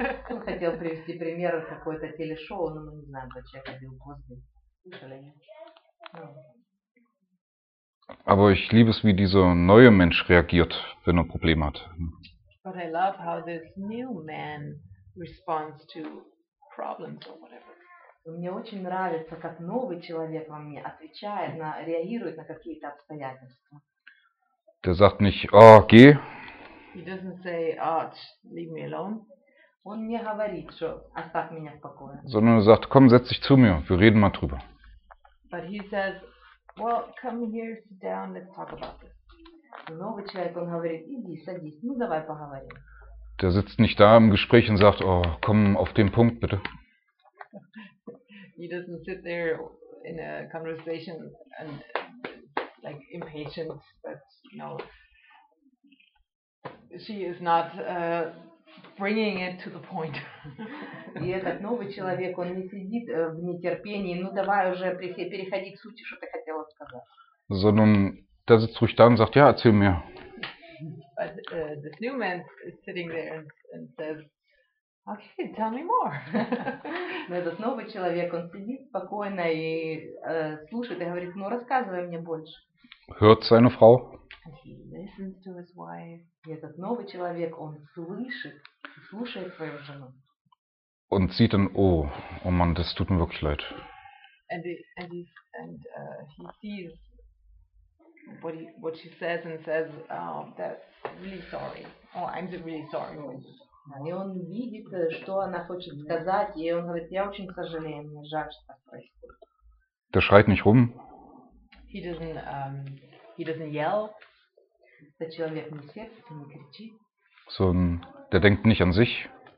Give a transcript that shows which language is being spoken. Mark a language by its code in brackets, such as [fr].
[ru] Он хотел привести пример из какой-то телешоу, но мы не знаем, как человек ходил в Косби. Слышали? [de] Aber ich liebe es, wie dieser neue Mensch reagiert, wenn er Probleme hat. [en] But I love how this new man responds to problems or whatever. [ru] Мне очень нравится, как новый человек во мне отвечает, реагирует на какие-то обстоятельства. [de] Der sagt nicht, oh, geh. [en] He doesn't say, oh, leave me alone. [ru] Он не говорит, что оставь меня в покое. [de] Sondern er sagt, komm, setz dich zu mir, wir reden mal drüber. [en] But he says, well, come here, sit down, let's talk about this. [ru] Новый человек, он говорит, иди, садись, ну давай поговорим. [de] Der sitzt nicht da im Gespräch und sagt, oh, komm auf den Punkt, bitte. [en] He doesn't sit there in a conversation and like impatient, but you know, she is not bringing it to the point. [ru] И этот новый человек, он не сидит в нетерпении, ну давай уже переходи к сути, что ты хотела сказать. [de] Sondern der sitzt ruhig da und sagt, ja, erzähl mir. [en] But this new man is sitting there and says, okay, tell me more. [ru] Но этот новый человек, он сидит спокойно и слушает и говорит, ну рассказывай мне больше. [de] Hört seine Frau. [en] And he listens to his wife. [ru] И этот новый человек, он слушает свою жену. [de] Und sieht dann, oh, oh Mann, das tut mir wirklich leid. [en] And he sees what she says and says, oh, that's really sorry. Oh, I'm really sorry. [ru] И он видит, что она хочет сказать, и он говорит, я очень сожалею, мне жаль, что так происходит. [de] Der schreit nicht rum. [en] He doesn't yell. [de] Der [ru] человек не сердится, не кричит. [de] So, der denkt nicht an sich.